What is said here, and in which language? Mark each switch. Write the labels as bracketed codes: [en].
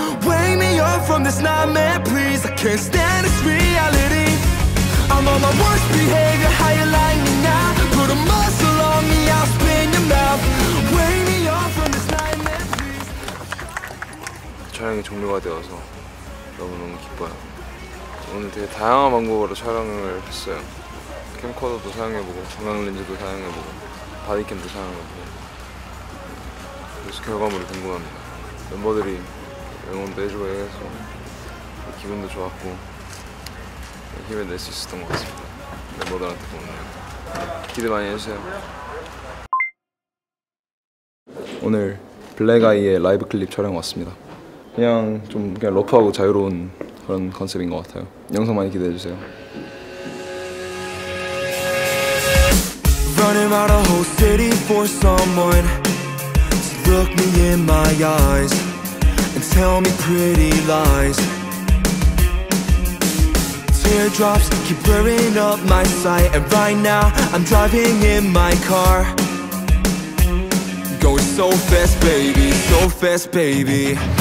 [en] Wake me up from this nightmare, please. I can't stand this reality. I'm on my worst behavior. How you like me now? Put a muzzle on me, I'll spin your mouth. Wake me up from this nightmare, please. [ko] 촬영이 종료가 되어서 너무너무 기뻐요. 오늘 되게 다양한 방법으로 촬영을 했어요. 캠코더도 사용해보고 광학렌즈도 사용해보고 바디캠도 사용해보고. 그래서 결과물이 궁금합니다. 멤버들이 응원도 해주고 해서 기분도 좋았고 힘을 낼 수 있었던 것 같습니다. 멤버들한테 고맙네요. 기대 많이 해주세요. 오늘 블랙아이의 라이브 클립 촬영 왔습니다. 그냥 좀 그냥 러프하고 자유로운 그런 컨셉인 것 같아요. 영상 많이 기대해주세요. [en] running out a whole city for someone to look me in my eyes and tell me pretty lies. Teardrops keep blurring up my sight, and right now I'm driving in my car, going so fast, baby, so fast, baby.